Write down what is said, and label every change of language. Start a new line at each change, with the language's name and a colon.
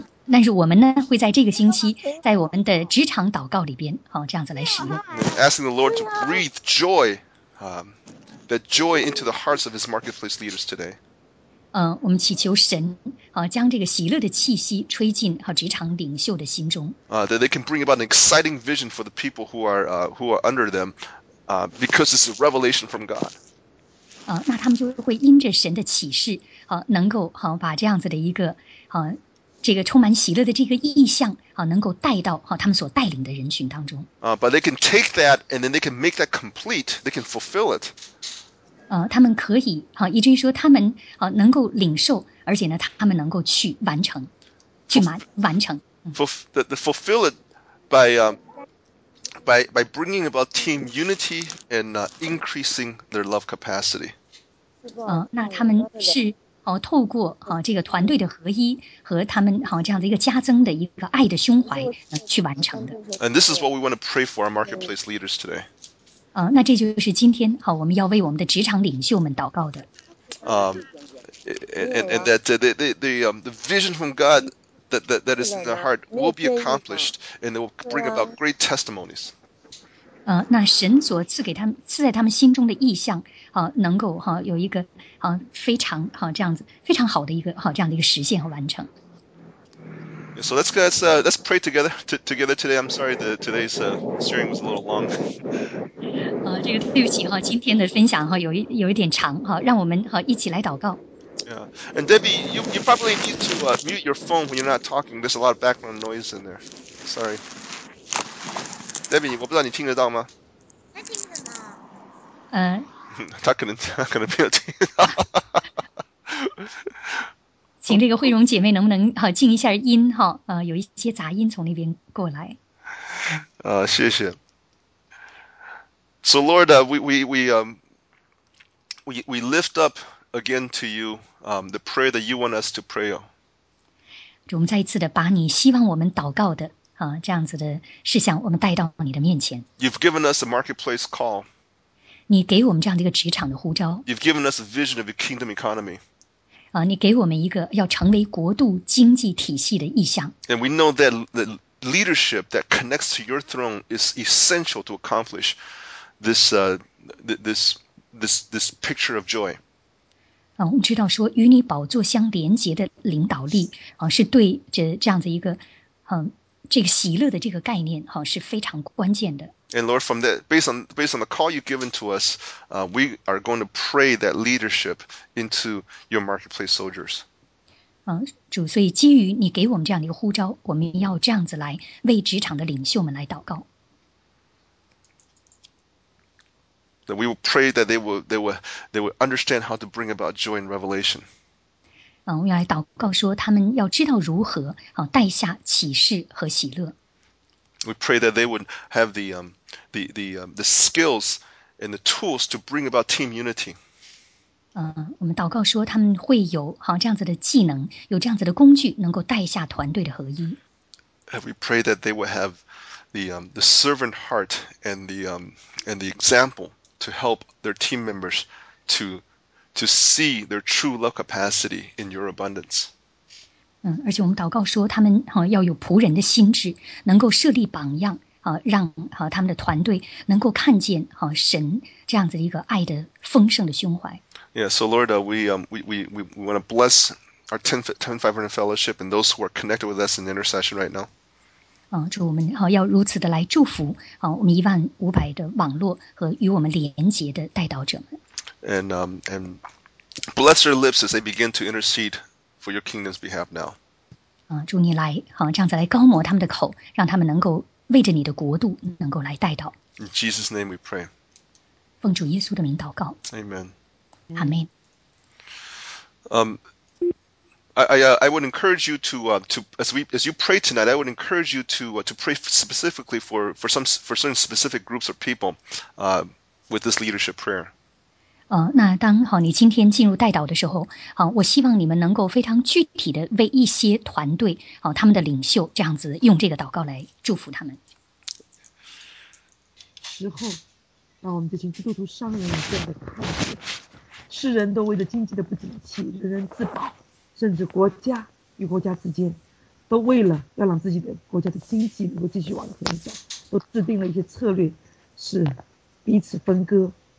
Chinese: 但是我们呢，会在这个星期，在我们的职场祷告里边，这样子来使用。
English: Asking the Lord to breathe joy, that joy into the hearts of His marketplace leaders today.
Chinese: 我们祈求神，将这个喜乐的气息吹进职场领袖的心中。
English: That they can bring about an exciting vision for the people who are under them, because it's a revelation from God.
Chinese: 那他们就会因着神的启示，能够把这样子的一个这个充满喜乐的这个意象能够带到他们所带领的人群当中。
English: But they can take that and then they can make that complete, they can fulfill it.
Chinese: 他们可以以至于说他们能够领受，而且呢他们能够去完成，去完成。
English: Fulfill it by bringing about team unity and increasing their love capacity.
Chinese: 那他们是透过这个团队的合一和他们这样的一个加增的一个爱的胸怀去完成的。
English: And this is what we want to pray for our marketplace leaders today.
Chinese: 那这就是今天我们要为我们的职场领袖们祷告的。
English: And that the vision from God that is in their heart will be accomplished and it will bring about great testimonies.
Chinese: 那神所赐在他们心中的意象。能够有一个非常这样子非常好的一个这样的一个实现和完成。
English: So let's pray together today. I'm sorry that today's sharing was a little long.
Chinese: 这个对不起今天的分享有一点长让我们一起来祷告。
English: Yeah, and Debbie, you probably need to mute your phone when you're not talking. There's a lot of background noise in there. Sorry,
Chinese: Debbie, 我不知道你听得到吗？他听得到。他可能没有听。请这个慧荣姐妹能不能静一下音有一些杂音从那边过来。谢谢。
English: So Lord, we lift up again to you the prayer that you want us to pray.
Chinese: 我们再一次的把你希望我们祷告的这样子的事项我们带到你的面前。
English: You've given us a marketplace call.
Chinese: 你给我们这样的一个职场的呼召。
English: You've given us a vision of your kingdom economy.
Chinese: 你给我们一个要成为国度经济体系的意向。
English: And we know that the leadership that connects to your throne is essential to accomplish this picture of joy.
Chinese: 啊，我们知道说与你宝座相连结的领导力啊，是对着这样子一个这个喜乐的这个概念哈、啊、是非常关键的。
English: And Lord, from that, based on the call you've given to us, we are going to pray that leadership into your marketplace soldiers.
Chinese: 啊，主，所以基于你给我们这样的一个呼召，我们要这样子来为职场的领袖们来祷告。
English: That we will pray that they will understand how to bring about joy and revelation.
Chinese: 啊，我们要来祷告说他们要知道如何啊带下启示和喜乐。
English: We pray that they would have the skills and the tools to bring about team unity.
Chinese: 我们祷告说他们会有好这样子的技能，有这样子的工具，能够带下团队的合一。
English: And we pray that they will have the servant heart and the example to help their team members to see their true love capacity in your abundance.
Chinese: 而且我们祷告说他们、啊、要有仆人的心智，能够设立榜样、啊、让、啊、他们的团队能够看见、啊、神这样子一个爱的丰盛的胸怀。
English: Yeah, so Lord, we want to bless our 10500 fellowship and those who are connected with us in intercession right now.、
Chinese: 啊、主，我们、啊、要如此的来祝福、啊、我们1500的网络和与我们连结的代祷者们。
English: And bless their lips as they begin to intercede. For your kingdom's behalf now.
Chinese: 主你来，这样子来膏抹他们的口，让他们能够为着你的国度能够来带到。
English: In Jesus' name we pray.
Chinese: 奉主耶稣的名祷告。
English: Amen. Amen. I would encourage you to pray specifically for certain specific groups of people, with this leadership prayer.
Chinese: 那当好你今天进入代祷的时候，好，我希望你们能够非常具体的为一些团队，好，他们的领袖这样子用这个祷告来祝福他们。时候，让我们这群基督徒商人变得看见，世人都为着经济的不景气，人人自保，甚至国家与国家之间，都为了要让自己的国家的经济能够继续往前走，都制定了一些策略，是彼此分割。